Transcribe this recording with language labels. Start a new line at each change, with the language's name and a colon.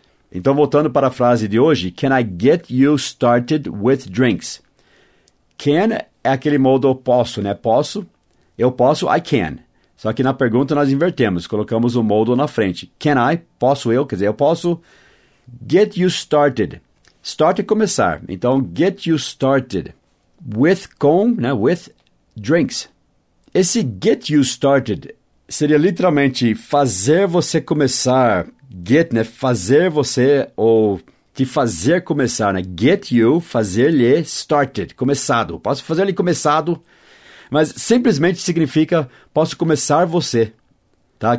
Portuguese: Então, voltando para a frase de hoje,
English: can I get you started with drinks?
Portuguese: Can é aquele modo posso, né? Posso, eu posso,
English: I can.
Portuguese: Só que na pergunta nós invertemos, colocamos o modo na frente.
English: Can I,
Portuguese: posso eu, quer dizer, eu posso.
English: Get you started.
Portuguese: Start é começar. Então,
English: get you started with,
Portuguese: com, né?
English: With drinks.
Portuguese: Esse
English: get you started
Portuguese: seria literalmente fazer você começar. Get, né? Fazer você ou te fazer começar, né? Get you, fazer-lhe started, começado. Posso fazer-lhe começado, mas simplesmente significa posso começar você, tá?